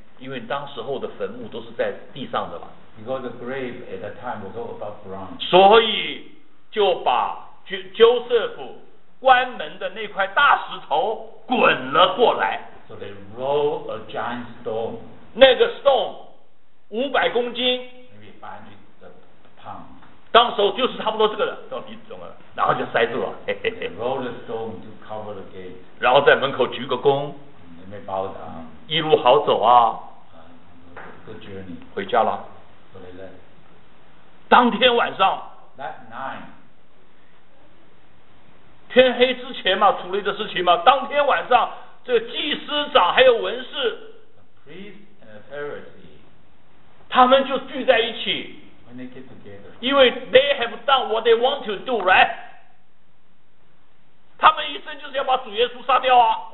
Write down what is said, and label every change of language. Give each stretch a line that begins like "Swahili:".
Chinese: 因为当时候的坟墓都是在地上的嘛。
English: Because the grave at that time was all above ground.
Chinese: 所以就把Joseph关门的那块大石头滚了过来。
English: So they rolled a giant stone.
Chinese: 那个 stone 500公斤。
English: Maybe 500 pounds.
Chinese: 当时候就是差不多这个的，到底怎么了？然后就塞住了。
English: Roll the stone to cover the gate.
Chinese: 然后在门口鞠个躬。
English: And they bowed down.
Chinese: 一路好走啊。
English: Good journey.
Chinese: 回家了。
English: So they left.
Chinese: 当天晚上。
English: That night.
Chinese: 天黑之前嘛，处理的事情嘛，当天晚上，这祭司长还有文士，
English: the priest and the Pharisee,
Chinese: 他们就聚在一起。
English: When they get together,
Chinese: 因为
English: they have done what they want to do, right?
Chinese: 他们一生就是要把主耶稣杀掉啊。